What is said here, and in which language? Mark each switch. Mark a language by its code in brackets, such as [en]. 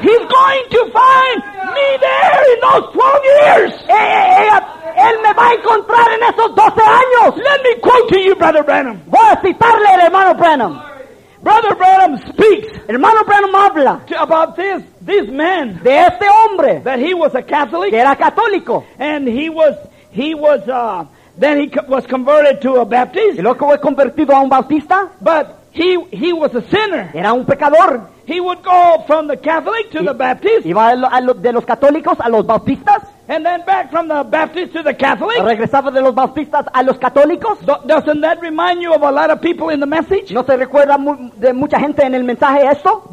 [en] he's going to find me there in those 12 years. [es] Él me va a encontrar en esos 12 años. [en] Let me quote to you, Brother Branham. [es] Voy a citarle al hermano Branham. [en] Brother Branham speaks. [es] Hermano Branham habla [en] about this man. [es] De este hombre. [en] That he was a Catholic. [es] Que era católico. [en] And he was converted to a Baptist. [es] Y luego fue convertido a un bautista. [en] But he was a sinner. [es] Era un pecador. [en] He would go from the Catholic to the Baptist. [es] Iba de los católicos a los bautistas. [en] And then back from the Baptist to the Catholic. [es] Regresaba de los bautistas a los católicos. [en] Doesn't that remind you of a lot of people in the message? [es] ¿No se recuerda de mucha gente en el mensaje esto?